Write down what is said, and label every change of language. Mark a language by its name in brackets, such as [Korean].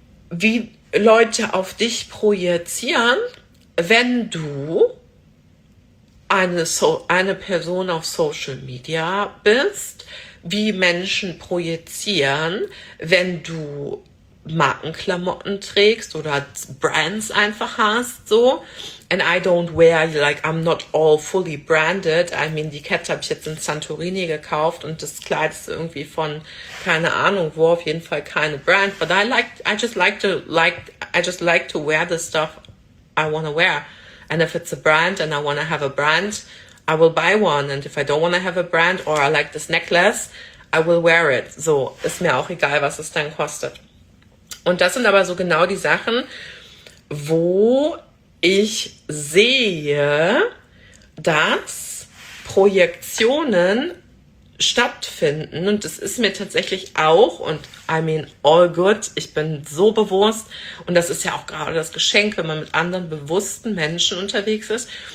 [German] Wie Leute auf dich projizieren, wenn du eine Person auf Social Media bist, wie Menschen projizieren, wenn du Markenklamotten trägst oder Brands einfach hast, so. [English] And I don't wear, like, I'm not all fully branded. I mean, [German] die Kette habe ich jetzt in Santorini gekauft und das Kleid ist irgendwie von, keine Ahnung wo, auf jeden Fall keine Brand. [English] But I just like to wear the stuff I want to wear. And if it's a brand and I want to have a brand, I will buy one. And if I don't want to have a brand or I like this necklace, I will wear it. [German] So, ist mir auch egal, was es dann kostet. Und das sind aber so genau die Sachen, wo ich sehe, dass Projektionen stattfinden. Und das ist mir tatsächlich auch, und [English] I mean all good, [German] ich bin so bewusst, und das ist ja auch gerade das Geschenk, wenn man mit anderen bewussten Menschen unterwegs ist.